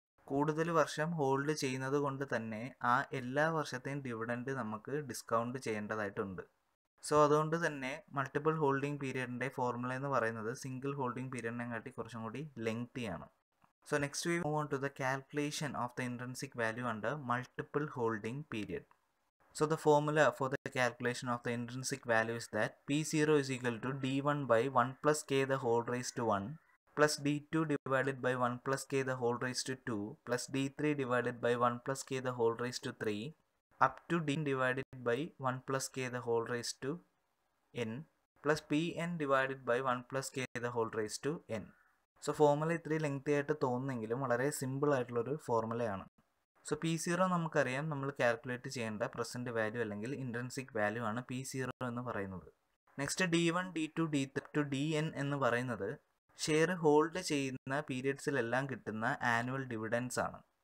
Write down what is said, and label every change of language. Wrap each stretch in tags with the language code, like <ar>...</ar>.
<ml>കൂടുതൽ വർഷം ഹോൾഡ് ചെയ്യുന്നത് കൊണ്ട് തന്നെ ആ എല്ലാ വർഷത്തെയും ഡിവിഡൻഡ് നമുക്ക് ഡിസ്കൗണ്ട് ചെയ്യേണ്ടതായിട്ടുണ്ട്. സോ അതുകൊണ്ട് തന്നെ മൾട്ടിപ്പിൾ ഹോൾഡിംഗ് പീരീഡിൻ്റെ ഫോർമുല എന്ന് പറയുന്നത് സിംഗിൾ ഹോൾഡിംഗ് പീരീഡിനെ കാട്ടി കുറച്ചും കൂടി ലെങ്തി ആണ്.</ml> <en>So next we move on to the calculation of the intrinsic value under multiple holding period. So the formula for the calculation of the intrinsic value is that P0 is equal to D1 by 1 plus K the whole raised to 1 plus D2 divided by 1 plus K the whole raised to 2 plus D3 divided by 1 plus K the whole raised to 3 up to D divided by 1 plus K the whole raised to N plus Pn divided by 1 plus K the whole raised to N.</en> <ml>So formula ഇത്രയും lengthy ആയിട്ട് തോന്നുന്നെങ്കിലും വളരെ simple ആയിട്ടുള്ള ഒരു ഫോർമുലയാണ്. So P0 നമുക്കറിയാം നമ്മൾ calculate ചെയ്യേണ്ട present value അല്ലെങ്കിൽ intrinsic value ആണ് P0 എന്ന് പറയുന്നത്. Next D1, D2, D3, D N എന്ന് പറയുന്നത് ഷെയർ ഹോൾഡ് ചെയ്യുന്ന പീരീഡ്സിലെല്ലാം കിട്ടുന്ന ആനുവൽ ഡിവിഡൻസ് ആണ്.</ml>